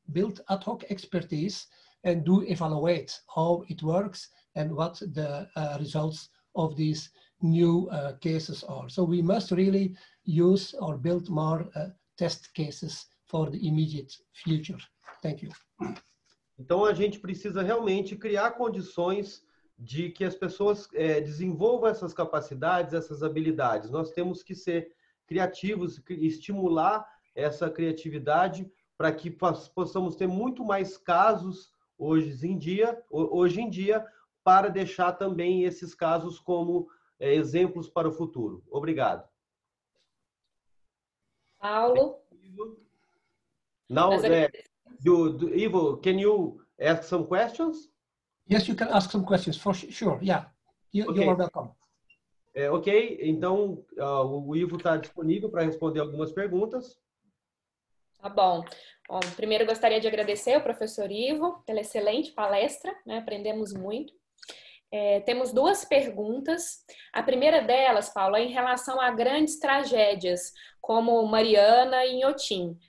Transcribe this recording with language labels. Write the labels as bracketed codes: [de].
[en] Build ad hoc expertise and do evaluate how it works and what the results of these new cases are. So we must really use or build more test cases for the immediate future. Thank you. [pt] Então, a gente precisa realmente criar condições de que as pessoas desenvolvam essas capacidades, essas habilidades. Nós temos que ser criativos e estimular essa criatividade para que possamos ter muito mais casos hoje em dia, para deixar também esses casos como exemplos para o futuro. Obrigado. Paulo? Não, é... [en] Ivo, can you ask some questions? Yes, you can ask some questions, for sure, yeah. You are welcome. [pt] Ok, então o Ivo está disponível para responder algumas perguntas. Tá bom. Bom, primeiro gostaria de agradecer ao professor Ivo pela excelente palestra, né? Aprendemos muito. Temos duas perguntas. A primeira delas, Paulo, é em relação a grandes tragédias, como Mariana e Inhotim.